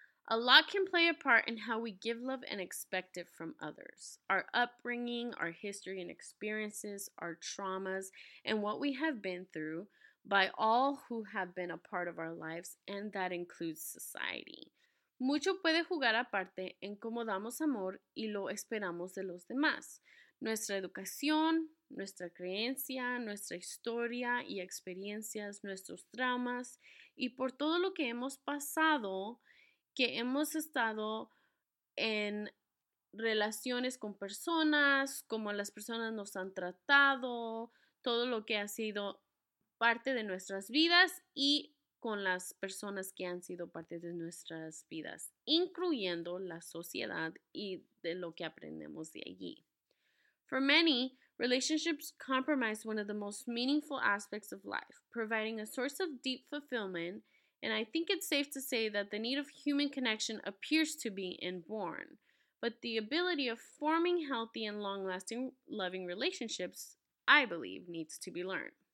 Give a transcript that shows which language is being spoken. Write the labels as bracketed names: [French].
[English] A lot can play a part in how we give love and expect it from others. Our upbringing, our history and experiences, our traumas, and what we have been through by all who have been a part of our lives, and that includes society. [Spanish] Mucho puede jugar aparte en cómo damos amor y lo esperamos de los demás. Nuestra educación, nuestra creencia, nuestra historia y experiencias, nuestros traumas y por todo lo que hemos pasado, que hemos estado en relaciones con personas, cómo las personas nos han tratado, todo lo que ha sido parte de nuestras vidas y con las personas que han sido parte de nuestras vidas, incluyendo la sociedad y de lo que aprendemos de allí. [English] For many, relationships comprise one of the most meaningful aspects of life, providing a source of deep fulfillment, and I think it's safe to say that the need of human connection appears to be inborn, but the ability of forming healthy and long-lasting loving relationships, I believe, needs to be learned.